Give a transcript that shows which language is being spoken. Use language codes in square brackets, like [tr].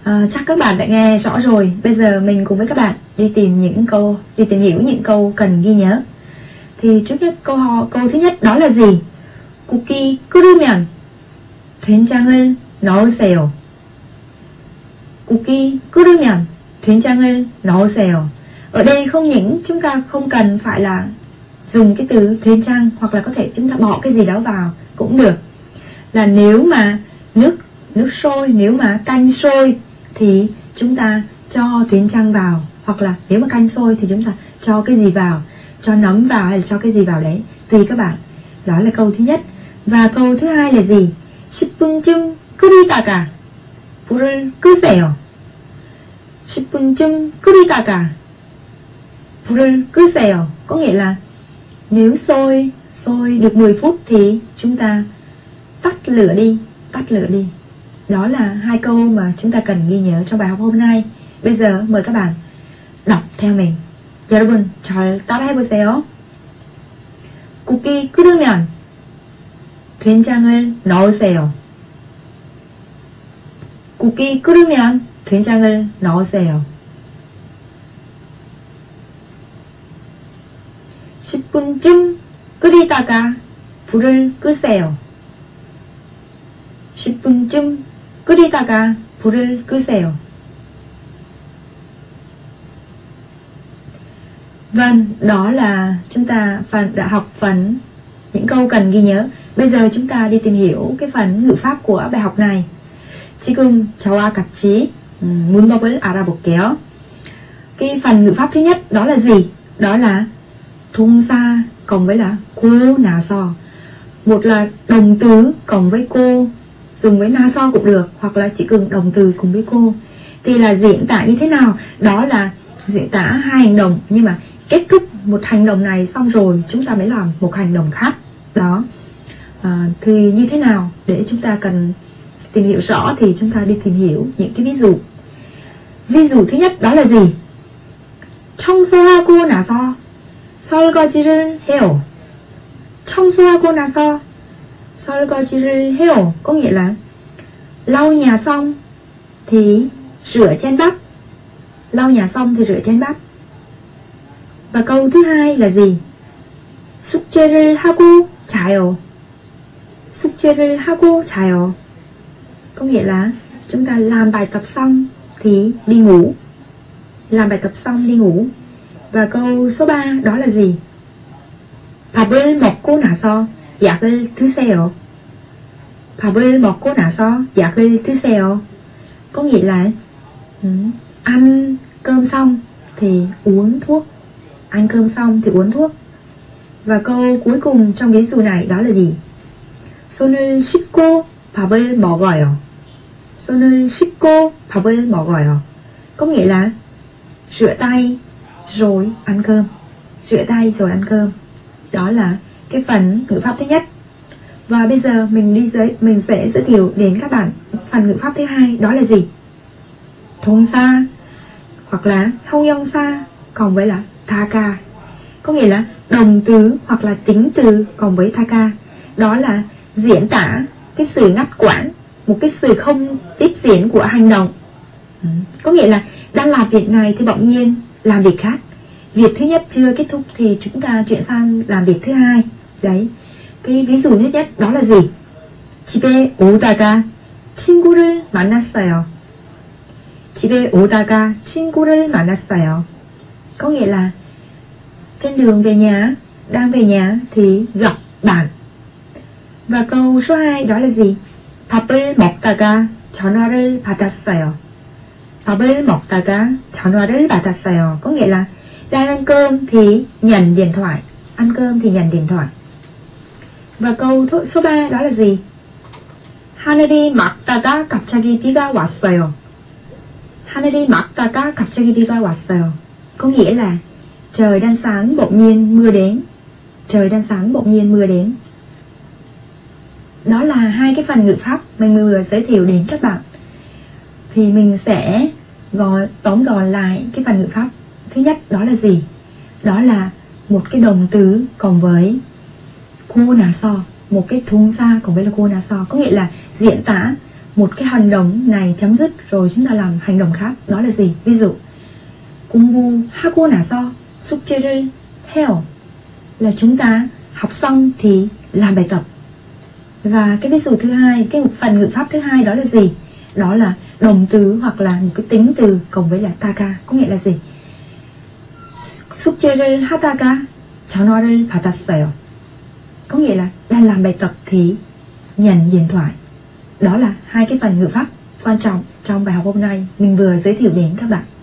[vi] Chắc các bạn đã nghe rõ rồi. Bây giờ mình cùng với các bạn đi tìm hiểu những câu cần ghi nhớ. Thì trước nhất câu thứ nhất đó là gì? [ko] 국이 끓으면 된장을 넣으세요. 국이 끓으면 된장을 넣으세요. [vi] Ở đây không những chúng ta không cần phải là dùng cái từ 된장 hoặc là có thể chúng ta bỏ cái gì đó vào cũng được. Là nếu mà nước sôi, nếu mà canh sôi thì chúng ta cho 된장 vào, hoặc là nếu mà canh sôi thì chúng ta cho cái gì vào, cho nấm vào hay là cho cái gì vào đấy, tùy các bạn. Đó là câu thứ nhất. Và câu thứ hai là gì? [ko] 10분 중 끓이다가 불을 끄세요. 10분 중 끓이다가 불을 끄세요. [vi] Có nghĩa là nếu sôi được 10 phút thì chúng ta tắt lửa đi. Đó là hai câu mà chúng ta cần ghi nhớ trong bài học hôm nay. Bây giờ mời các bạn đọc theo mình. [ko] 여러분, 잘 따라해보세요. 국이 끓으면 된장을 넣으세요. 국이 끓으면 된장을 넣으세요. 10분쯤 끓이다가 불을 끄세요. 10분쯤 끓이다가 불을 끄세요. [vi] Vâng, đó là chúng ta đã học phần những câu cần ghi nhớ. Bây giờ chúng ta đi tìm hiểu cái phần ngữ pháp của bài học này. [ko] 지금 저와 같이 문법을 알아볼게요. [vi] Cái phần ngữ pháp thứ nhất đó là gì? Đó là 동사 cộng với là 고나서. Một là đồng từ cộng với cô, dùng với 나서 cũng được, hoặc là 지금 đồng từ cùng với cô. Thì là diễn tả như thế nào? Đó là diễn tả hai hành động, nhưng mà kết thúc một hành động này xong rồi chúng ta mới làm một hành động khác đó. Thì như thế nào để chúng ta cần tìm hiểu rõ thì chúng ta đi tìm hiểu những cái ví dụ. Ví dụ thứ nhất đó là gì? [ko] 청소하고 나서 설거지를 해요. 청소하고 나서 설거지를 해요. [vi] Có nghĩa là lau nhà xong thì rửa chén bát. Lau nhà xong thì rửa chén bát. Và câu thứ hai là gì? [ko] 숙제를 하고 자요. 숙제를 하고 자요. [vi] Có nghĩa là chúng ta làm bài tập xong thì đi ngủ. Làm bài tập xong đi ngủ. Và câu số 3 đó là gì? [ko] 밥을 먹고 나서 약을 드세요. 밥을 먹고 나서 약을 드세요. [vi] Có nghĩa là ăn cơm xong thì uống thuốc. Ăn cơm xong thì uống thuốc. Và câu cuối cùng trong ví dụ này đó là gì? [ko] 손을 씻고 밥을 먹어요. 손을 씻고 밥을 먹어요. [vi] Có nghĩa là rửa tay rồi ăn cơm. Rửa tay rồi ăn cơm. Đó là cái phần ngữ pháp thứ nhất. Và bây giờ mình sẽ giới thiệu đến các bạn phần ngữ pháp thứ hai đó là gì? 동사 hoặc là 형용사 cộng với là 다가. Có nghĩa là đồng từ hoặc là tính từ cộng với 다가. Đó là diễn tả cái sự ngắt quãng, một cái sự không tiếp diễn của hành động. Có nghĩa là đang làm việc này thì bỗng nhiên làm việc khác. Việc thứ nhất chưa kết thúc thì chúng ta chuyển sang làm việc thứ hai. Đấy. Cái ví dụ nhất đó là gì? [ko] 집에 오다가 친구를 만났어요. 집에 오다가 친구를 만났어요. [vi] Có nghĩa là trên đường về nhà, đang về nhà thì gặp bạn. Và câu số 2 đó là gì? [ko] 밥을 먹다가 전화를 받았어요. 밥을 먹다가 전화를 받았어요. [vi] Có nghĩa là đang ăn cơm thì nhận điện thoại. Ăn cơm thì nhận điện thoại. Và câu số 3 đó là gì? [ko] 하늘이 막다가 갑자기 비가 왔어요. 하늘이 막다가 갑자기 비가 왔어요. [vi] Có nghĩa là trời đang sáng bỗng nhiên mưa đến. Trời đang sáng bỗng nhiên mưa đến. Đó là hai cái phần ngữ pháp mình vừa giới thiệu đến các bạn. Thì mình sẽ tóm gọn lại cái phần ngữ pháp thứ nhất đó là gì? Đó là một cái đồng từ cộng với 고나서, một cái 동사 cộng với là 고나서. Có nghĩa là diễn tả một cái hành động này chấm dứt rồi chúng ta làm hành động khác. Đó là gì? Ví dụ [ko] 공부하고 나서 숙제를 해요. [vi] Là chúng ta học xong thì làm bài tập. Và cái ví dụ thứ hai, cái phần ngữ pháp thứ hai đó là gì? Đó là đồng từ hoặc là một cái tính từ cộng với là 다가. Có nghĩa là gì? [ko] 숙제를 하다가 전화를 받았어요. [vi] Có nghĩa là đang làm bài tập thì nhận điện thoại. Đó là hai cái phần ngữ pháp quan trọng trong bài học hôm nay mình vừa giới thiệu đến các bạn.